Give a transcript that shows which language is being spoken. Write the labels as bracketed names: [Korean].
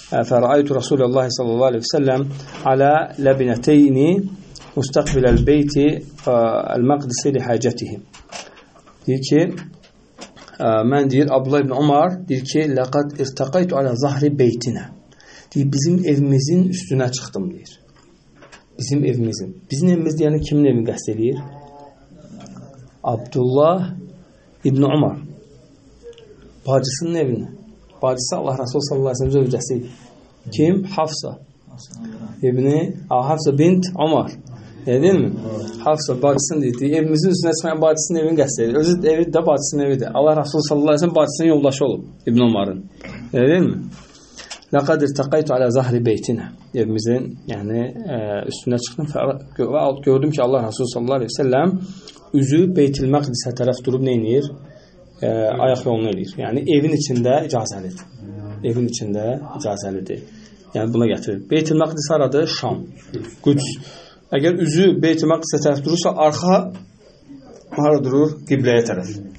[Arabic] فرأيت رسول الله صلى الله عليه وسلم على لبنتين مستقبل البيت المقدس لحاجته. [Azerbaijani] Deyir ki, mən deyir, Abdullah ibn Umar deyir ki, [Arabic] لَقَدْ اِرْتَقَيْتُ عَلَى ظَهْرِ بَيْتِنَا. [Azerbaijani] Deyir, bizim evimizin üstünə çıxdım deyir. Bizim evimizin. Bizim evimiz deyəni kimin evini qəst edir? Abdullah ibn Umar. Bacısının evini. Bacısı Allah Rasul sallallahu aleyhi ve sellem zövcəsidir. Kim? Hafsa. İbni, Hafsa bint Umar. Dedin mi? Hafsa bacısını dedi. Evimizin üstüne çıkan bacısının evini qəst edir. Özü evi de bacısının evidir. Allah Rasul sallallahu aleyhi ve sellem bacısının yoldaşı olub. İbn Umar'ın. Dedin mi? [Arabic] Laqad irtaqaytu ala zahri beytina. [Azerbaijani] Evimizin yani üstüne çıxdım. Gördüm ki Allah Rasul sallallahu aleyhi ve sellem üzü beytil məqdisə tərəf durub neyinir? Ayaq yolunu edir. Yəni, evin içində icazəlidir. Evin içində icazəlidir. Yəni, buna gətirir. Beytil Məqdis aradır, Şam. Quds. Əgər üzü Beyt-i Məqdisə tərəf durursa, arxa hara durur? Qibləyə tərəf.